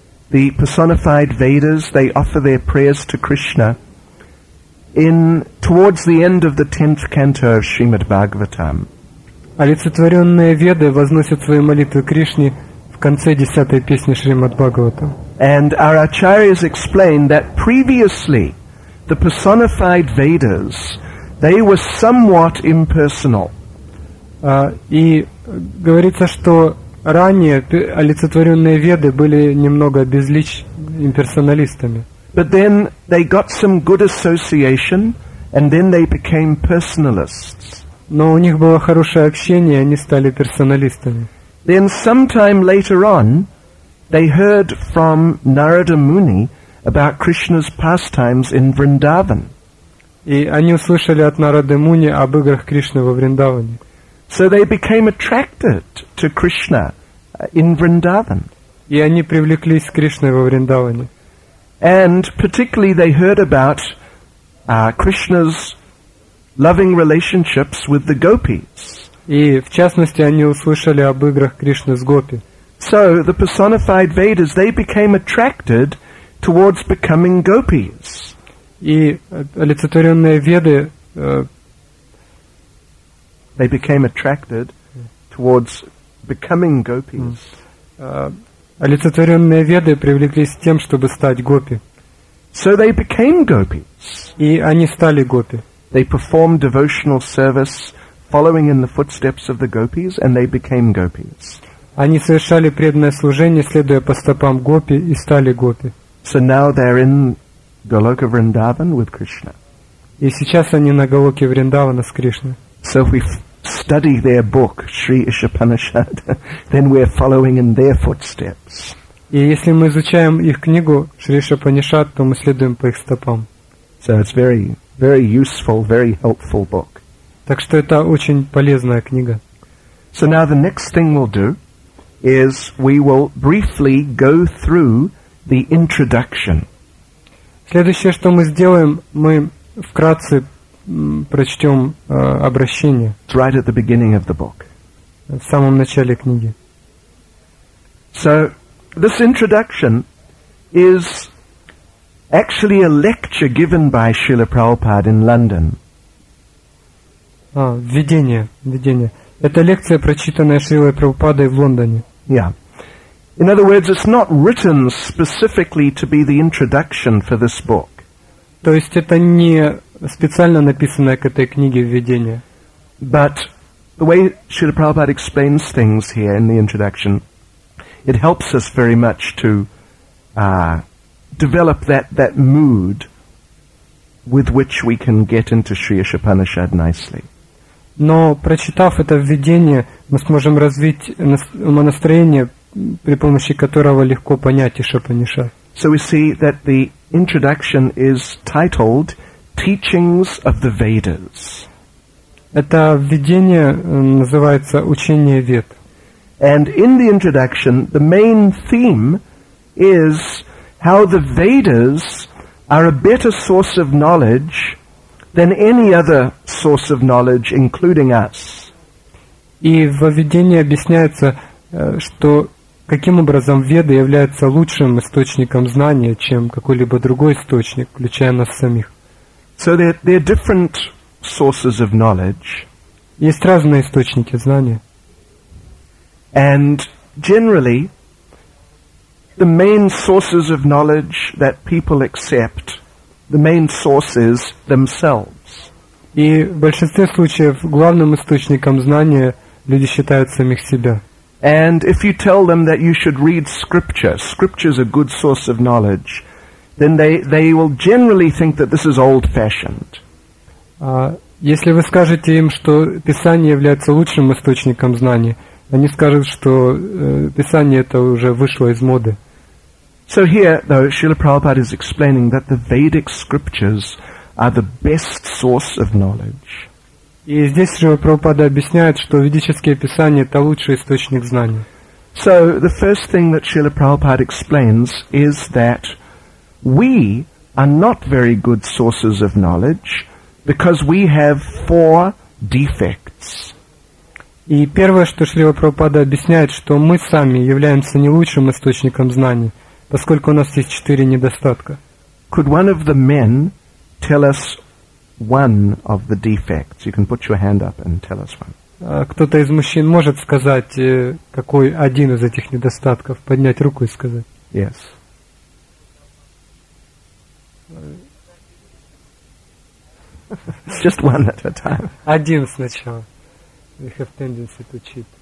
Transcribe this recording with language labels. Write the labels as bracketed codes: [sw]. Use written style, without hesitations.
[en] The personified Vedas, they offer their prayers to Krishna in towards the end of the 10th canto of Srimad Bhagavatam. [ru] Олицетворенные Веды возносят свои молитвы Кришне в конце 10-й песни Шримад Бхагаватам. [en] And our acharyas explain that previously the personified Vedas, they were somewhat impersonal. [ru] И говорится, что ранее олицетворенные Веды были немного имперсоналистами. [en] But then they got some good association, and then they became personalists. [ru] Но у них было хорошее общение, они стали персоналистами. [en] Then sometime later on, they heard from Narada Muni about Krishna's pastimes in Vrindavan. [ru] И они услышали от Нарады Муни об играх Кришны во Вриндаване. [en] So they became attracted to Krishna in Vrindavan. [ru] И они привлеклись к Кришне во Вриндаване. [en] And particularly they heard about Krishna's loving relationships with the gopis. [ru] И в частности они услышали об играх Кришны с гопи. [en] So the personified Vedas, they became attracted towards becoming gopis. [ru] И олицетворенные Веды [en] they became attracted towards becoming gopis. [ru] Олицетворенные Веды привлеклись тем, чтобы стать гопи. [en] So they became gopis. [ru] И они стали гопи. [en] They performed devotional service following in the footsteps of the gopis, and they became gopis. [ru] Они совершали преданное служение, следуя по стопам гопи, и стали гопи. [en] So now they're in Goloka Vrindavan with Krishna. [ru] И сейчас они на Голоке Вриндавана с Кришной. [en] So we study their book, Sri Ishapanishad, then we're following in their footsteps. [ru] И если мы изучаем их книгу, Шри Ишапанишад, то мы следуем по их стопам. [en] So it's very, very useful, very helpful book. [ru] Так что это очень полезная книга. [en] So now the next thing we'll do is we will briefly go through the introduction. [ru] Следующее, что мы сделаем, мы вкратце прочтем обращение. [en] It's right at the beginning of the book. [ru] В самом начале книги. [en] So, this introduction is actually a lecture given by Srila Prabhupada in London. [ru] Введение. Это лекция, прочитанная Шрилой Прабхупадой в Лондоне. [en] Yeah. In other words, it's not written specifically to be the introduction for this book. [ru] То есть это не специально написанное к этой книге введение. [en] But the way Srila Prabhupada explains things here in the introduction, it helps us very much to develop that mood with which we can get into Sri Ishapanishad nicely. [ru] Но прочитав это введение, мы сможем развить настроение, при помощи которого легко понять Ишапанишад. [en] So we see that the introduction is titled Teachings of the Vedas. [ru] Это введение называется Учение Вед. [en] And in the introduction, the main theme is how the Vedas are a better source of knowledge than any other source of knowledge, including us. [ru] И в введении объясняется, что каким образом Веды являются лучшим источником знания, чем какой-либо другой источник, включая нас самих. [en] So there are different sources of knowledge. [ru] Есть разные источники знания. [en] And generally, the main sources of knowledge that people accept, the main sources themselves. [ru] И в большинстве случаев главным источником знания люди считают самих себя. [en] And if you tell them that you should read scripture is a good source of knowledge, then they will generally think that this is old-fashioned. [ru] Если вы скажете им, что Писание является лучшим источником знания, они скажут, что Писание это уже вышло из моды. [en] So here, though, Srila Prabhupada is explaining that the Vedic scriptures are the best source of knowledge. [ru] И здесь Шрила Прабхупада объясняет, что ведические писания это лучший источник знания. [en] So the first thing that Srila Prabhupada explains is that we are not very good sources of knowledge, Because we have four defects. [ru] И первое, что Шрила Прабхупада объясняет, что мы сами являемся не лучшим источником знаний, поскольку у нас есть четыре недостатка. [en] Could one of the men tell us one of the defects? You can put your hand up and tell us one. [ru] Кто-то из мужчин может сказать, какой один из этих недостатков, поднять руку и сказать? [en] Yes. Just one at a time. [ru] Один сначала. [en] We have tendency to cheat.